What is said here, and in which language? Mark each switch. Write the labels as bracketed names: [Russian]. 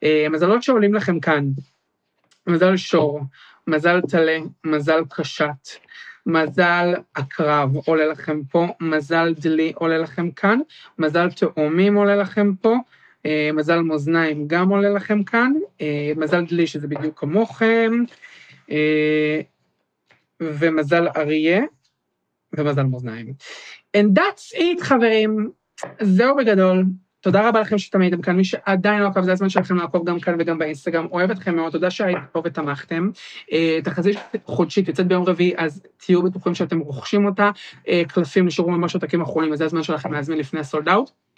[Hebrew] מזלות שעולים לכם כאן, מזל שור, מזל טלה, מזל קשת, מזל הקרב עולה לכם פה, מזל דלי עולה לכם כאן, מזל תאומים עולה לכם פה, מזל מוזניים גם עולה לכם כאן, מזל דלי שזה בדיוק כמוכם, ומזל אריה, ומזל מוזניים. [English] And that's it, חברים. [Hebrew] זהו בגדול. תודה רבה לכם שתמיד אתם כאן. מי שעדיין לא עקב, זה הזמן שלכם לעקוב גם כאן וגם באינסטגרם. אוהב אתכם מאוד. תודה שהייתם פה ותמכתם. תחזית חודשית יוצאת ביום רביעי, אז תהיו בטוחים שאתם רוכשים אותה. קלפים נשארו ממש עותקים אחרונים, אז זה הזמן שלכם להזמין לפני הסולד אאוט.